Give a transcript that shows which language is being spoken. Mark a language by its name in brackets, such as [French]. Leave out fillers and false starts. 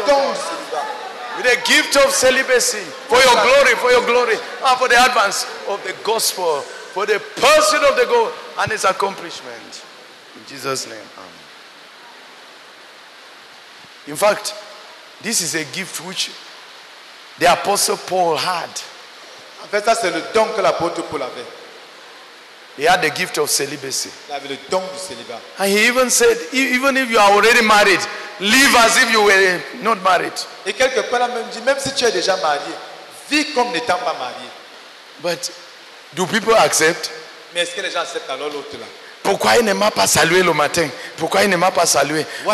[English] With the gift of celibacy for your glory, and for the advance of the gospel, for the pursuit of the goal and its accomplishment. In Jesus' name, amen. In fact, this is a gift which the Apostle Paul had. [French] En fait, ça, c'est le don que l'apôtre Paul avait. [English] He had the gift of celibacy. [French] Il avait le don du célibat. [English] And he even said, even if you are already married, live as if you were not married. [French] Et quelque part, il a même dit, même si tu es déjà marié, vis comme n'étant pas marié. [English] But do people accept? [French] Mais est-ce que les gens acceptent alors l'autre là? Pourquoi il ne m'a pas salué le matin? Pourquoi il ne m'a pas salué?